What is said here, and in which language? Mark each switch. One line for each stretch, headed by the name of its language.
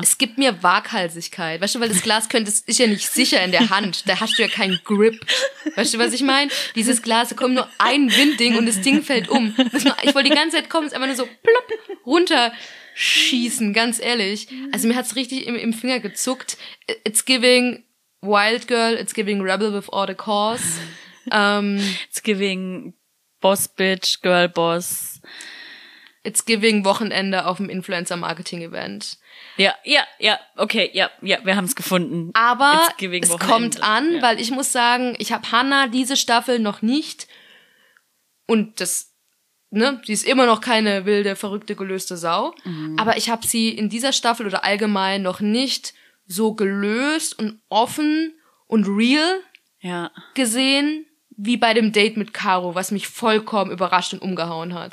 German: Es gibt mir Waghalsigkeit. Weißt du, weil das Glas ist ja nicht sicher in der Hand. Da hast du ja keinen Grip. Weißt du, was ich meine? Dieses Glas, da kommt nur ein Windding und das Ding fällt um. Ich wollte die ganze Zeit kommen, es ist einfach nur so plopp runter. Schießen, ganz ehrlich. Also mir hat's richtig im Finger gezuckt.
English: It's giving wild girl, it's giving rebel with all the cause. It's giving boss bitch, girl boss. It's giving
German: Wochenende auf dem Influencer-Marketing-Event. Ja, wir haben's gefunden. Aber es kommt an, weil ich muss sagen, ich habe Hannah diese Staffel noch nicht und das... Ne? Sie ist immer noch keine wilde, verrückte, gelöste Sau. Mhm. Aber ich habe sie in dieser Staffel oder allgemein noch nicht so gelöst und offen und real gesehen, wie bei dem Date mit Caro, was mich vollkommen überrascht und umgehauen hat.